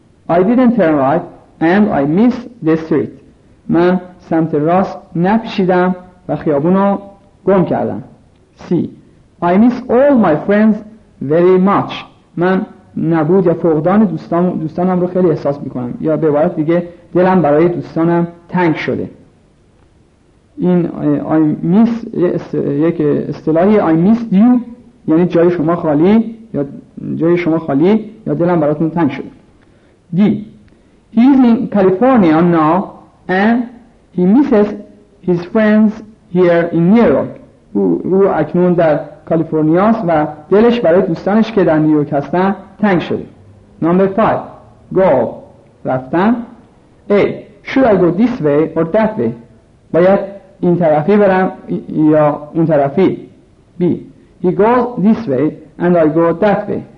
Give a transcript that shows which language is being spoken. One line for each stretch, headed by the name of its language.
English: I didn't turn right and I missed the street.
Persian: من سمت راست نپیچیدم و خیابون رو گم کردم.
English: C. I miss all my friends very much.
Persian: من نبود یا فقدان دوستانم رو خیلی احساس میکنم، یا به عبارت دیگه دلم برای دوستانم تنگ شده. این
English: I miss
Persian: یک اصطلاحی.
English: I missed you
Persian: یعنی جای شما خالی، یا جای شما خالی یا دلم براتون تنگ شده.
English: D. He is in California now and he misses his friends here in New York.
Persian: او اکنون در کالیفرنیا است و دلش برای دوستانش که در نیویورک هستن تنگ شده.
English: Number 5. Go. رفتن. A. Should I go this way or that way?
Persian: باید این طرفی برم یا اون طرفی؟ B.
English: He goes this way and I go that way.